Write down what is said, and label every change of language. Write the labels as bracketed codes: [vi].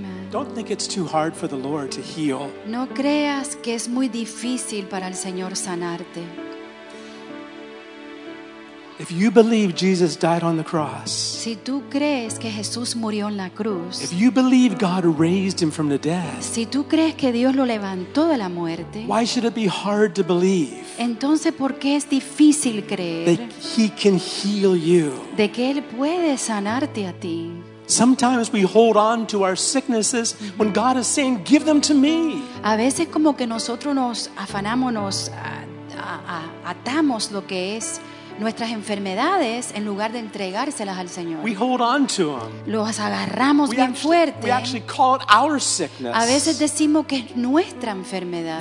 [en] Don't think it's too hard for the Lord to heal. [es] No creas que es muy difícil para el Señor sanarte. [en] If you believe Jesus died on the cross, [es] si tú crees que Jesús murió en la cruz, [en] if you believe God raised him from the dead, [es] si tú crees que Dios lo levantó de la muerte, [en] why should it be hard to believe? [es] Entonces, ¿por qué es difícil creer? [en] That he can heal you. [es] De que él puede sanarte a ti. [en] Sometimes we hold on to our sicknesses when God is saying, "Give them to me." [es] A veces como que nosotros nos afanamos, nos atamos lo que es nuestras enfermedades en lugar de entregárselas al Señor. [en] We hold on to them. [es] Los agarramos [en] we [es] bien [en] actually, [es] fuerte. [en] We actually call it our sickness. [es] A veces decimos que es nuestra enfermedad.